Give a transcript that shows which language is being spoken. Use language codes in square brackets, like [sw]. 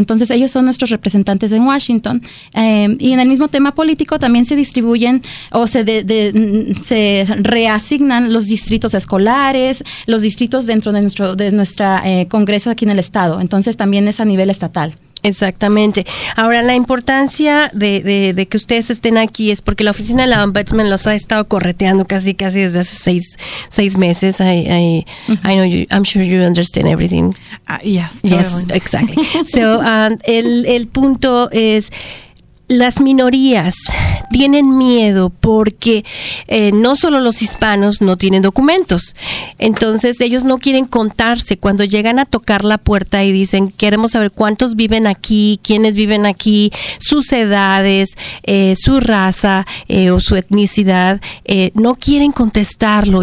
[es] Entonces, ellos son nuestros representantes en Washington. Y en el mismo tema político también se distribuye o se reasignan los distritos escolares, los distritos dentro de nuestro congreso aquí en el estado. Entonces también es a nivel estatal. Exactamente. Ahora, la importancia de que ustedes estén aquí es porque la oficina de la Ombudsman los ha estado correteando casi desde hace seis meses. [en] I uh-huh. I know you, I'm sure you understand everything. Yes, totally. Yes, exactly. So [es] el punto es, las minorías tienen miedo porque no solo los hispanos no tienen documentos. Entonces, ellos no quieren contarse. Cuando llegan a tocar la puerta y dicen, queremos saber cuántos viven aquí, quiénes viven aquí, sus edades, su raza o su etnicidad, no quieren contestarlo.